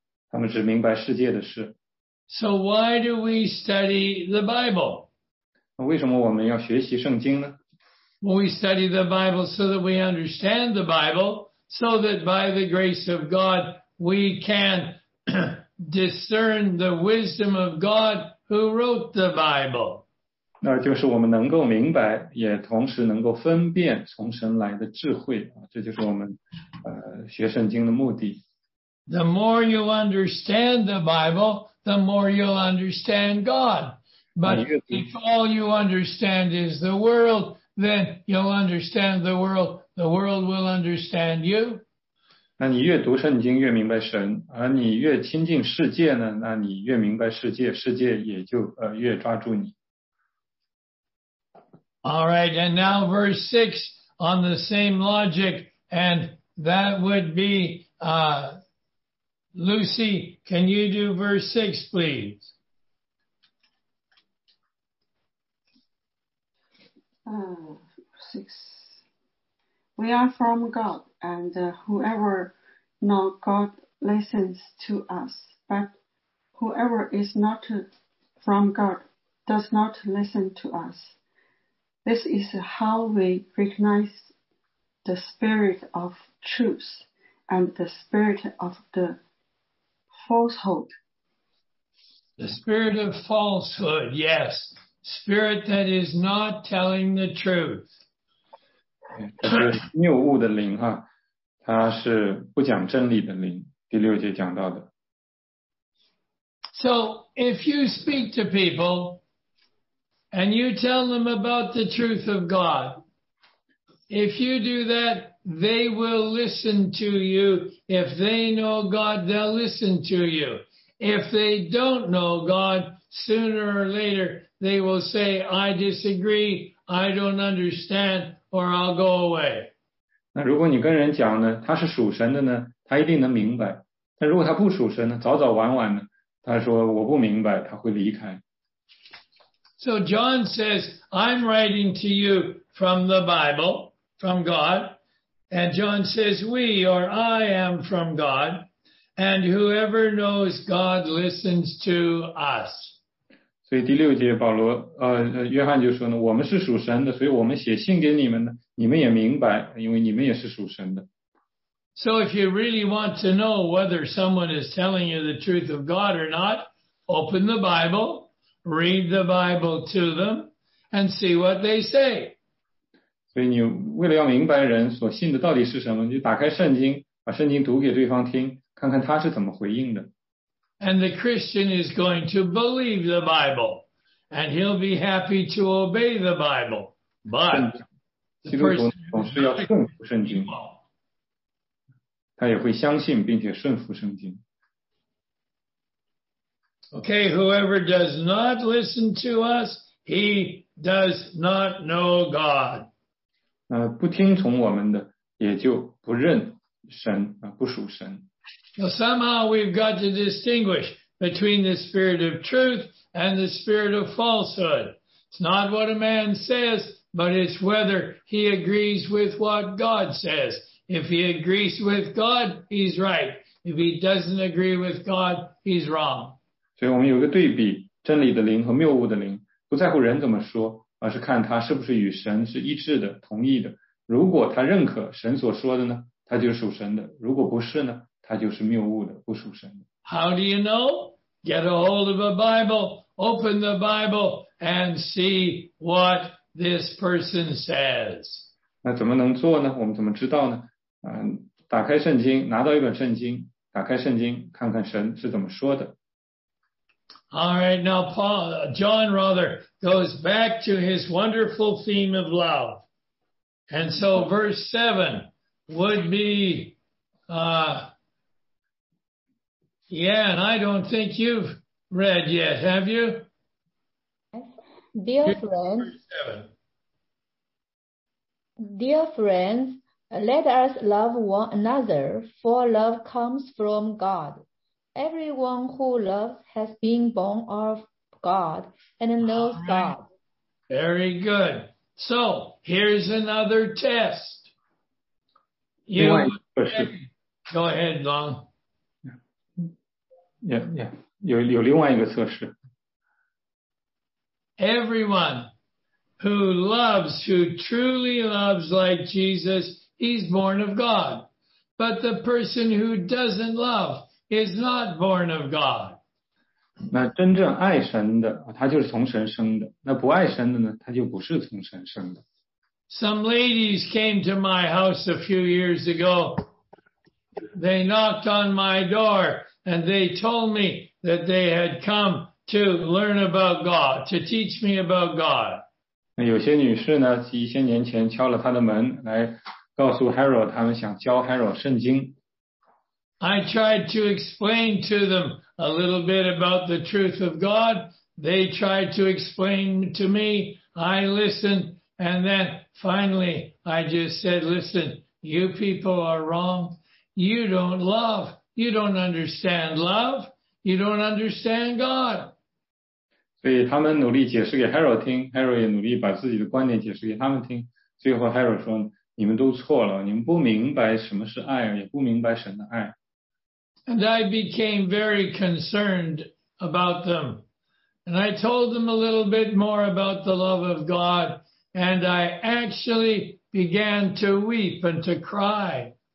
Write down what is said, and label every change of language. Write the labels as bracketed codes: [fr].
[zh] 所以就好比呢，他自己，他说他不是生在中国，所以他也不是在这中文环境里长大的，所以他不懂中文。那就像这里，耶稣基督从神那里来，那世上的人呢不明白啊，因为他们不属神，也就不明白，他们只明白世界的事。 [en] So why do we study the Bible? [zh] 那为什么我们要学习圣经呢？ [en] Well, we study the Bible so that we understand the Bible, so that by the grace of God, we can discern the wisdom of God who wrote the Bible. [zh] 那就是我们能够明白，也同时能够分辨从神来的智慧，这就是我们学圣经的目的。 [en] The more you understand the Bible, the more you'll understand God. But if all you understand is the world, then you'll understand the world. The world will understand you. [zh] 那你越读圣经越明白神，而你越亲近世界呢，那你越明白世界，世界也就越抓住你。 [en] All right, and now verse 6 on the same logic, and that would be Lucy, can you do verse 6, please? Six. We are from God, and whoever not God listens to us, but whoever is not from God does not listen to us. This is how we recognize the spirit of truth and the spirit of the falsehood. The spirit of falsehood, yes. Spirit that is not telling the truth. [zh] 谬误的灵啊，它是不讲真理的灵，第六节讲到的。 [en] So if you speak to people and you tell them about the truth of God, if you do that, they will listen to you. If they know God, they'll listen to you. If they don't know God, sooner or later, they will say, I disagree, I don't understand, or I'll go away. [zh] 那如果你跟人讲呢，他是属神的呢，他一定能明白。但如果他不属神呢，早早晚晚呢，他说我不明白，他会离开。 [en] So John says, I'm writing to you from the Bible, from God. And John says, we or I am from God. And whoever knows God listens to us. [zh] 所以第六节保罗约翰就说呢，我们是属神的，所以我们写信给你们呢，你们也明白，因为你们也是属神的。 [en] So if you really want to know whether someone is telling you the truth of God or not, open the Bible, read the Bible to them, and see what they say. [zh] 所以你为了要明白人所信的到底是什么，就打开圣经，把圣经读给对方听，看看他是怎么回应的。 [en] And the Christian is going to believe the Bible, and he'll be happy to obey the Bible. But [zh] 基督徒总是要顺服圣经，他也会相信并且顺服圣经。 [en] Okay, whoever does not listen to us, he does not know God. [zh] 不听从我们的，也就不认神，不属神。 [en] Well, somehow we've got to distinguish between the spirit of truth and the spirit of falsehood. It's not what a man says, but it's whether he agrees with what God says. If he agrees with God, he's right. If he doesn't agree with God, he's wrong. [zh] 所以我们有个对比，真理的灵和谬误的灵，不在乎人怎么说，而是看他是不是与神是一致的，同意的。如果他认可神所说的呢，他就属神的；如果不是呢，他就是谬误的，不属神的。 [en] How do you know? Get a hold of a Bible, open the Bible, and see what this person says. [zh] 那怎么能做呢？我们怎么知道呢？打开圣经，拿到一本圣经，打开圣经，看看神是怎么说的。 [en] All right, now John goes back to his wonderful theme of love. And so verse 7 would be, and I don't think you've read yet, have you? Dear friends, let us love one another, for love comes from God. Everyone who loves has been born of God and knows God. Very good. So, here's another test. You, go ahead, Long. [zh] Yeah. 有另外一个测试。 [en] Everyone who loves, who truly loves like Jesus, he's born of God. But the person who doesn't love is not born of God. [zh] 那真正爱神的，他就是从神生的。那不爱神的呢，他就不是从神生的。 [en] Some ladies came to my house a few years ago. They knocked on my door and they told me that they had come to learn about God, to teach me about God. [zh] 那有些女士呢，一些年前敲了他的门，来告诉 Harold 他们想教 Harold 圣经。 [en] I tried to explain to them a little bit about the truth of God. They tried to explain to me. I listened. And then finally, I just said, listen, you people are wrong. You don't love. you don't understand love, you don't understand God. [zh] 所以他们努力解释给 Harold 听， Harold 也努力把自己的观点解释给他们听，最后 Harold 说，你们都错了，你们不明白什么是爱，也不明白神的爱。 [en] And I became very concerned about them. And I told them a little bit more about the love of God. And I actually began to weep and to cry.